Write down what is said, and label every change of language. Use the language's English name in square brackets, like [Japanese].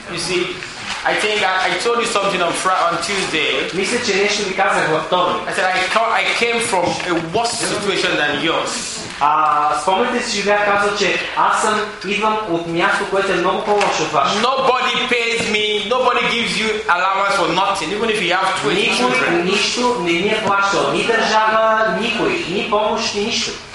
[English] You see, I think I told you something on Tuesday. I said I came from a worse situation than yours. [Bulgarian] Спомнете си, че бях казал, че аз съм идвам от място, което е много по-лошо от ваше. [English] Nobody pays me, nobody gives you allowance for nothing, even if you have 20 children. [Bulgarian] Никой нищо не ни е плащал, ни държава, никой, ни помощ, ни нищо.